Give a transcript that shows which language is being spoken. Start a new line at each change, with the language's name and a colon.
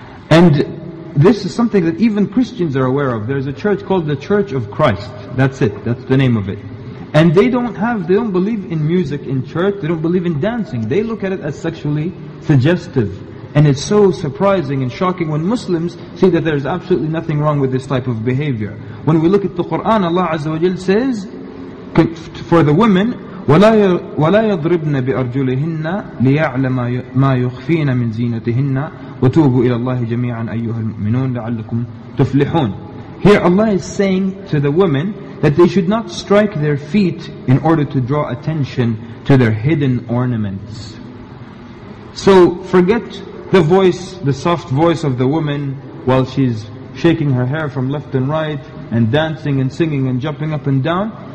English: And this is something that even Christians are aware of. There's a church called the Church of Christ. That's it. That's the name of it. And they don't believe in music in church. They don't believe in dancing. They look at it as sexually suggestive. And it's so surprising and shocking when Muslims see that there's absolutely nothing wrong with this type of behavior. When we look at the Quran, Allah Azza wa Jalla says, for the women,
Arabic: وَلَا يَضْرِبْنَ بِأَرْجُلِهِنَّ لِيَعْلَمَ مَا يُخْفِينَ مِنْ زِينَتِهِنَّ وَتُوبُوا إِلَى اللَّهِ جَمِيعًا أَيُّهَا الْمُؤْمِنُونَ لَعَلَّكُمْ تُفْلِحُونَ.
English: Here Allah is saying to the women that they should not strike their feet in order to draw attention to their hidden ornaments. So forget the voice, the soft voice of the woman while she's shaking her hair from left and right and dancing and singing and jumping up and down.